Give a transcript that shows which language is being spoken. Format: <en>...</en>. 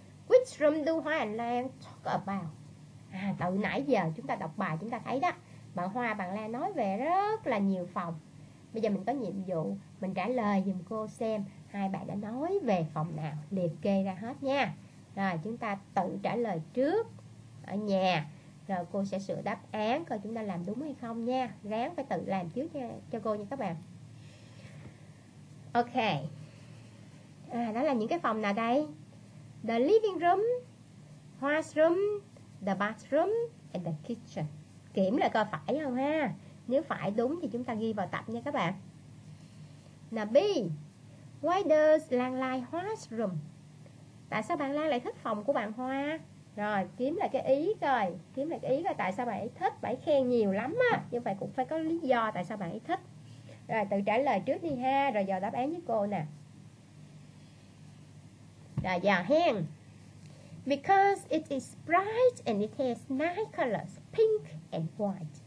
<en>Which room do Hoa and Lan talk about?</en> <vi>À, từ nãy giờ chúng ta đọc bài chúng ta thấy đó, bạn Hoa, bạn Lan nói về rất là nhiều phòng. Bây giờ mình có nhiệm vụ, mình trả lời giùm cô xem hai bạn đã nói về phòng nào, liệt kê ra hết nha. Rồi chúng ta tự trả lời trước ở nhà, rồi cô sẽ sửa đáp án coi chúng ta làm đúng hay không nha. Ráng phải tự làm trước nha, cho cô nha các bạn. Ok. À, đó là những cái phòng nào đây?</vi> <en>The living room, Hoa's room, the bathroom and the kitchen.</en> <vi>Kiểm lại coi phải không ha. Nếu phải đúng thì chúng ta ghi vào tập nha các bạn.</vi> <en>Now B, why does Lan like Hoa's room?</en> <vi>Tại sao bạn Lan lại thích phòng của bạn Hoa? Rồi kiếm lại cái ý coi, kiếm lại cái ý coi tại sao bạn ấy thích. Bạn ấy khen nhiều lắm á, nhưng phải cũng phải có lý do tại sao bạn ấy thích. Rồi tự trả lời trước đi ha, rồi giờ đáp án với cô nè. Rồi giờ hen.</vi> <en>Because it is bright and it has nine colors, pink and white.</en>